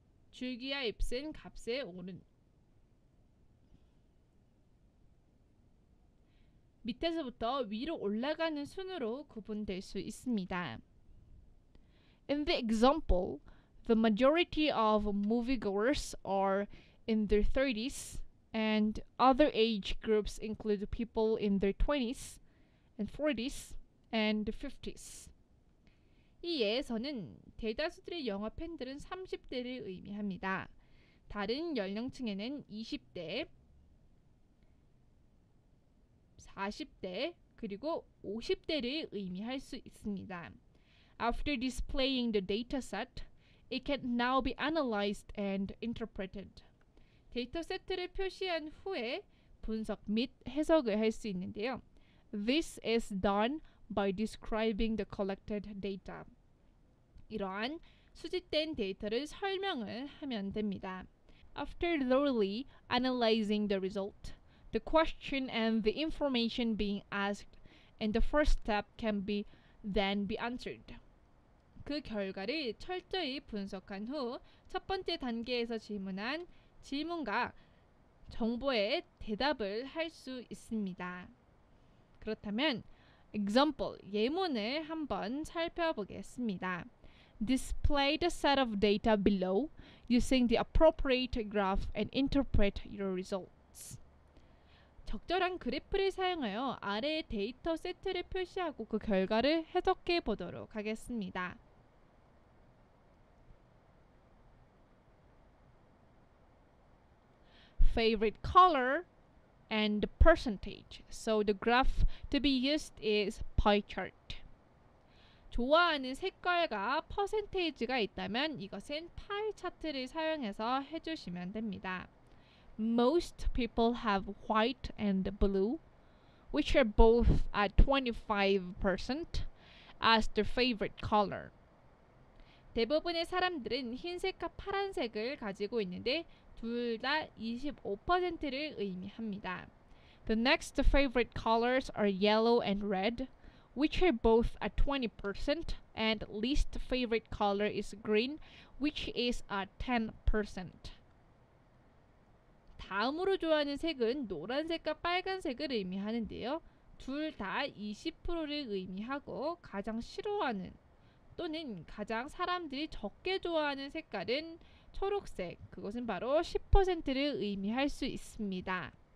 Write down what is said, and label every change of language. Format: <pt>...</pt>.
<ko>줄기와 잎은 값에 오른 밑에서부터 위로 올라가는 순으로 구분될 수 있습니다.</ko> <en>In the example, the majority of moviegoers are in their 30s. And other age groups include people in their 20s and 40s and 50s.</en> <ko>이 예에서는 대다수들의 영화 팬들은 30대를 의미합니다. 다른 연령층에는 20대, 40대, 그리고 50대를 의미할 수 있습니다.</ko> <en>After displaying the data set, it can now be analyzed and interpreted.</en> <ko>데이터 세트를 표시한 후에 분석 및 해석을 할 수 있는데요.</ko> <en>This is done by describing the collected data.</en> <ko>이러한 수집된 데이터를 설명을 하면 됩니다.</ko> <en>After thoroughly analyzing the result, the question and the information being asked in the first step can be then be answered.</en> <ko>그 결과를 철저히 분석한 후 첫 번째 단계에서 질문한 질문과 정보에 대답을 할 수 있습니다. 그렇다면 example 예문을 한번 살펴보겠습니다.</ko> <en>Display the set of data below using the appropriate graph and interpret your results.</en> <ko>적절한 그래프를 사용하여 아래의 데이터 세트를 표시하고 그 결과를 해석해 보도록 하겠습니다.</ko> <en>Favorite color and the percentage. So the graph to be used is pie chart.</en> <ko>좋아하는 색깔과 퍼센테이지가 있다면 이것은 파이 차트를 사용해서 해주시면 됩니다.</ko> <en>Most people have white and blue, which are both at 25% as their favorite color.</en> <ko>대부분의 사람들은 흰색과 파란색을 가지고 있는데 둘 다 25%를 의미합니다.</ko> <en>The next favorite colors are yellow and red, which are both at 20%, and least favorite color is green, which is at 10%.</en> <ko>다음으로 좋아하는 색은 노란색과 빨간색을 의미하는데요. 둘 다 20%를 의미하고 가장 싫어하는 또는 가장 사람들이 적게 좋아하는 색깔은 초록색, 그것은 바로 10%를 의미할 수 있습니다.</ko>